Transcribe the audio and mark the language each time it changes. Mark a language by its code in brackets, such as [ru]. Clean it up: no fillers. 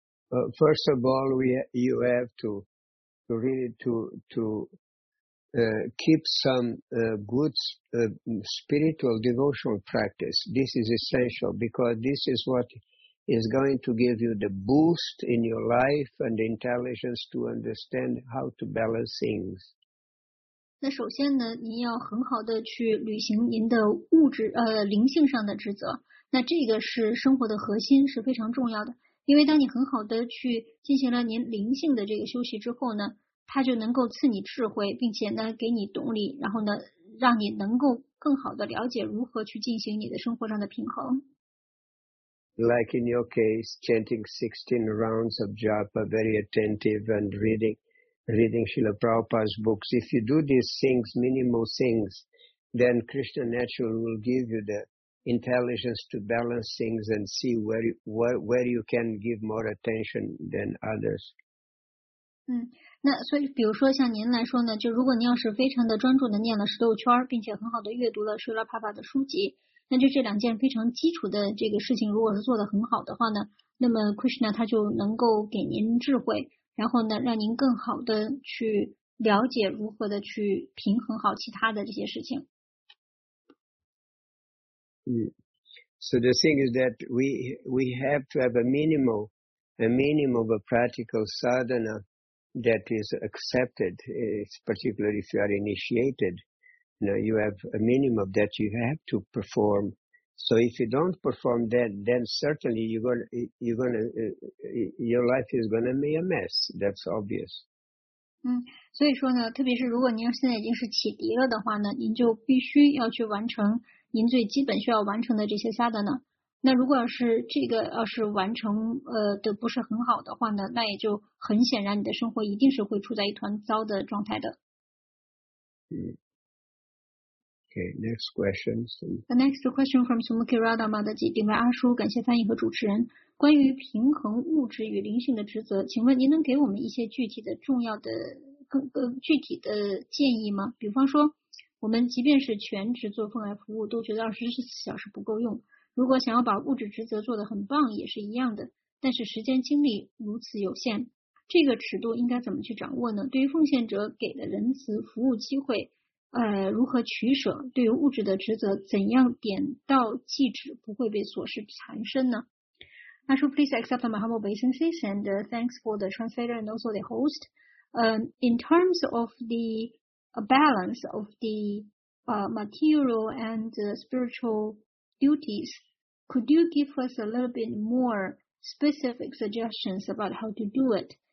[en] First of all, you have to really keep some good spiritual devotional practice. This is essential because this is what is going to give you the boost in your life and the intelligence to understand how to balance things. [zh] 那首先呢，您要很好的去履行您的物质灵性上的职责。那这个是生活的核心，是非常重要的。因为当你很好的去进行了您灵性的这个休息之后呢，他就能够赐你智慧，并且呢给你动力，然后呢让你能够更好的了解如何去进行你的生活上的平衡。 [en] Like in your case, chanting 16 rounds of japa, very attentive, and reading Srila Prabhupada's books. If you do these things, minimal things, then Krishna naturally will give you the intelligence to balance things and see where you can give more attention than others. [zh] 那所以比如说像您来说呢，就如果您要是非常的专注的念了十六圈，并且很好的阅读了Srila Prabhupada的书籍，那就这两件非常基础的这个事情如果是做得很好的话呢，那么 Krishna 他就能够给您智慧，然后呢让您更好的去了解如何的去平衡好其他的这些事情。 [en] So the thing is that we have to have a minimum of a practical sadhana that is accepted, particularly if you are initiated. You know, you have a minimum that you have to perform. So if you don't perform that, then certainly your life is going to be a mess. That's obvious. [zh] 所以说呢，特别是如果您现在已经是启迪了的话呢，您就必须要去完成您最基本需要完成的这些sadhana。那如果要是这个要是完成的不是很好的话呢，那也就很显然你的生活一定是会处在一团糟的状态的。 [en] Okay, next question. The next question from Sumukhi Radha Madhaji, 顶拜阿叔， [zh] 感谢翻译和主持人。关于平衡物质与灵性的职责，请问您能给我们一些具体的重要的具体的建议吗？比方说我们即便是全职做奉爱服务都觉得24小时不够用。如果想要把物质职责做得很棒也是一样的，但是时间精力如此有限，这个尺度应该怎么去掌握呢？对于奉献者给的仁慈服务机会如何取舍？对于物质的职责怎样点到即止不会被琐事缠身呢？ [en] 阿叔 please accept my humble obeisances and thanks for the translator and also the host. In terms of the balance of the material and spiritual duties, could you give us a little bit more specific suggestions about how to do it?